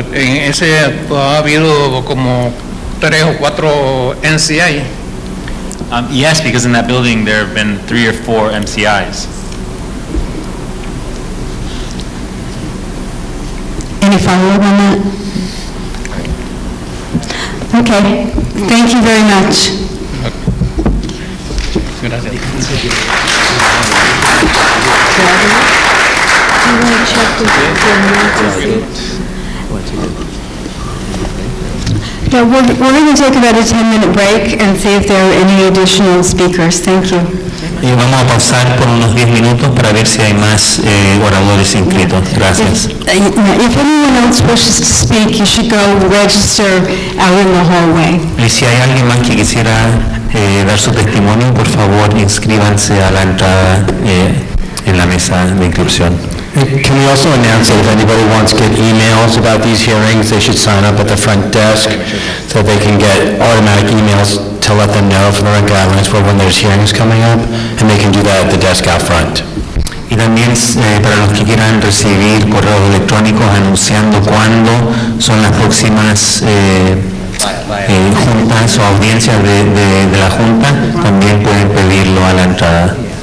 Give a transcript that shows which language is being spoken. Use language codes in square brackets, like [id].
[es] En ese ha habido como tres o cuatro NCI. [en] Yes, because in that building there have been three or four MCIs. Any follow-up on that? Okay, thank you very much. Yeah, we're going to take about a 10-minute break and see if there are any additional speakers. Thank you. [es] Y vamos a pasar por unos 10 minutos para ver si hay más oradores inscritos. Gracias. [en] If anyone else wishes to speak, you should go register out in the hallway. [es] Y si hay alguien más que quisiera dar su testimonio, por favor, inscríbanse a la entrada en la mesa de inscripción. [en] Can we also announce that if anybody wants to get emails about these hearings, they should sign up at the front desk so they can get automatic emails to let them know from the rent guidelines for when there's hearings coming up, and they can do that at the desk out front. [es] Y también para los que quieran recibir correos electrónicos anunciando cuándo son las próximas juntas o audiencias de la junta, también pueden pedirlo a la entrada.